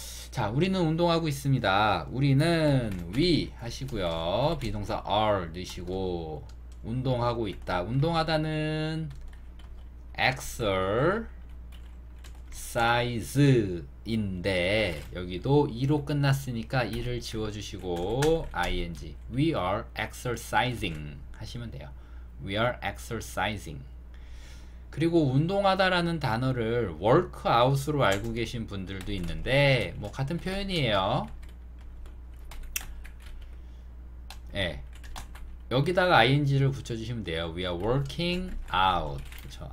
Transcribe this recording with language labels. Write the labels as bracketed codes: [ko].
[ko] 자, 우리는 운동하고 있습니다. 우리는 we 하시고요. 비동사 are 넣으시고 운동하고 있다. 운동하다는 exercise인데 여기도 이로 끝났으니까 이를 지워주시고 ing. [en] We are exercising [ko] 하시면 돼요. [en] We are exercising. [ko] 그리고 운동하다라는 단어를 워크아웃으로 알고 계신 분들도 있는데, 뭐 같은 표현이에요. 예. 여기다가 ing를 붙여주시면 돼요. [en] We are working out. 그렇죠?